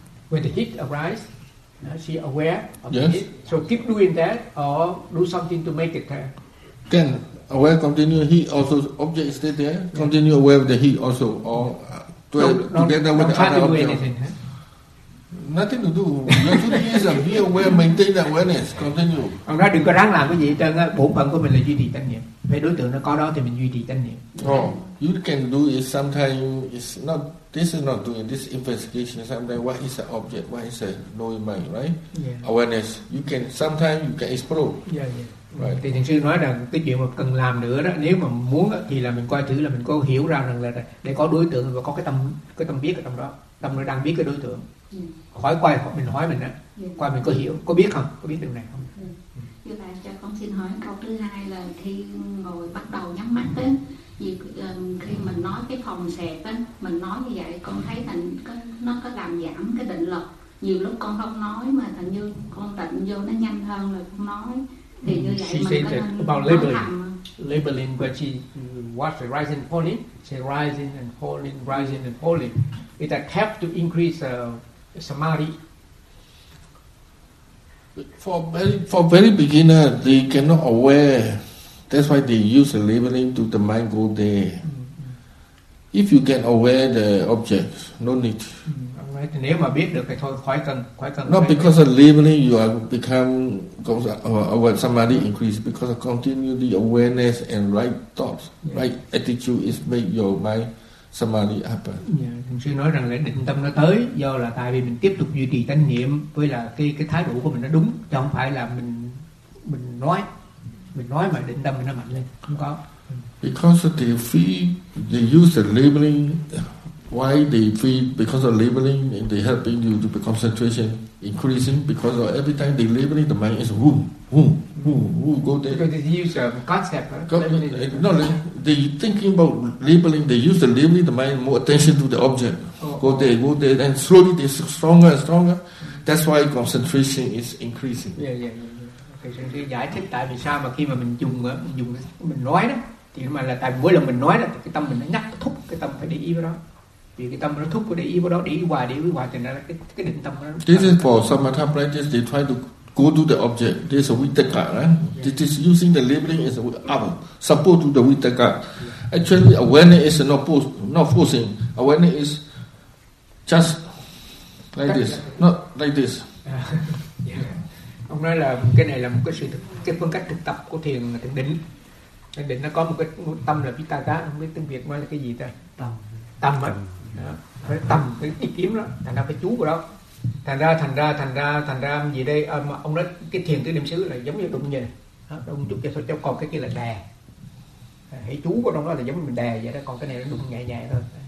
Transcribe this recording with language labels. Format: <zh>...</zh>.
<en>When the heat arises, she aware of the heat. So keep doing that or do something to make it. Can. Aware, continue, heat, also, object stay there, continue aware of the heat also, or together with the other object. Nothing to do. Nothing is be aware, maintain the awareness, continue.</en> <vi>Ông nói đừng có ráng làm cái gì hết trơn á, bổn phận của mình là duy trì chánh niệm. Về đối tượng nó có đó thì mình duy trì chánh niệm.</vi> <en>Oh, you can do it sometimes, it's not, this is not doing, this investigation, sometimes what is the object, what is the knowing mind, right? Yeah. Awareness, you can, sometimes you can explore. Yeah, yeah. Right.</en> <vi>Thì thiền sư nói rằng cái chuyện mà cần làm nữa đó, nếu mà muốn thì là mình coi thử là mình có hiểu ra rằng là để có đối tượng và có cái tâm biết ở trong đó, tâm nó đang biết cái đối tượng.</vi> <en>Yeah.</en> <vi>Khỏi quay mình hỏi mình á, quay mình có hiểu, có biết không, có biết điều này không? Như vậy cho con xin hỏi câu thứ hai là khi ngồi bắt đầu nhắm mắt á, Vì khi mình nói cái phòng xẹp á, mình nói như vậy con thấy thành nó có làm giảm cái định lực. Nhiều lúc con không nói mà thành như con tịnh vô nó nhanh hơn là con nói. Thì như vậy</vi> <en>she</en> <vi>mình</vi> <en>said</en> <vi>có</vi> <en>that</en> <vi>nên</vi> <en>about labeling when she watched the rising and falling, say rising and falling, rising and falling. It helped to increase samadhi. For very beginner, they cannot aware. That's why they use the labeling to the mind go there. Mm-hmm. If you get aware the object, no need. Mm-hmm. Not because of labeling, you are become somebody increase because of continually awareness and right thoughts, yeah. Right attitude is make your mind samadhi happen. Yeah.</en> <vi>Thường sư nói rằng là định tâm nó tới do là tại vì mình tiếp tục duy trì chánh niệm với là cái thái độ của mình nó đúng, chứ không phải là mình nói mà định tâm nó mạnh lên, không có.</vi> <en>Because they feel, they use the labeling. Why they feel? Because of labeling, and they helping you to be concentration increasing. Because of every time they labeling, the mind is who go there. Because they use concept. They thinking about labeling. They use the labeling, the mind more attention to the object. Go there, and slowly they stronger and stronger. That's why concentration is increasing. Yeah, yeah.</en> <vi>Okay, giải thích tại vì sao mà khi mà mình nói đó, thì mà là tại mỗi lần mình nói đó, cái tâm mình nó nhắc thúc, cái tâm phải để ý vào đó. Vì cái tâm nó thúc có để ý vào đó, để ý hoài, để ý hoài, thì nó cái định tâm nó.</vi> <en>This is for samatha practice. They try to go to the object. This is a vitaka, right? Yeah. This is using the labeling as a support to the vitaka. Yeah. Actually, awareness is not forcing. Awareness is just like this, not like this. Yeah.</en> <vi>Ông nói là cái này là một cái sự thực, cái phương cách thực tập của thiền thiền định. Thiền định nó có một tâm là vitaka, không biết tiếng Việt nói là cái gì ta? Tâm. Tâm cái ý kiếm đó, thành ra cái chú của đó. Thành ra gì đây mà ông nói cái thiền tứ niệm xứ là giống như đụng nhìn đụng chút cho cháu còn cái kia là đè hãy chú của nó là giống như đè vậy đó, còn cái này nó đụng nhẹ nhàng thôi.</vi>